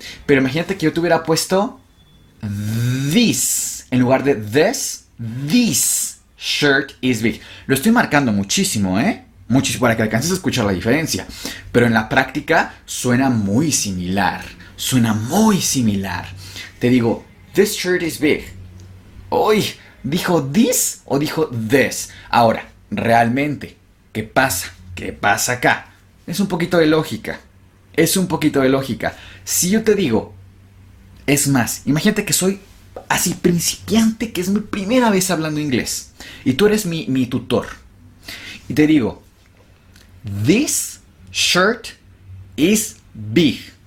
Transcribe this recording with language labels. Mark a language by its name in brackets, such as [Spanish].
[Spanish] Pero imagínate que yo te hubiera puesto this en lugar de this. [English] This shirt is big. [Spanish] Lo estoy marcando muchísimo, ¿eh? Muchísimo para que alcances a escuchar la diferencia. Pero en la práctica suena muy similar. Suena muy similar. Te digo, [English] this shirt is big. [Spanish] ¡Uy! ¿Dijo this o dijo this? Ahora, realmente, ¿qué pasa? ¿Qué pasa acá? Es un poquito de lógica. Es un poquito de lógica. Si yo te digo, es más, imagínate que soy así principiante, que es mi primera vez hablando inglés. Y tú eres mi tutor. Y te digo, [English] this shirt is big.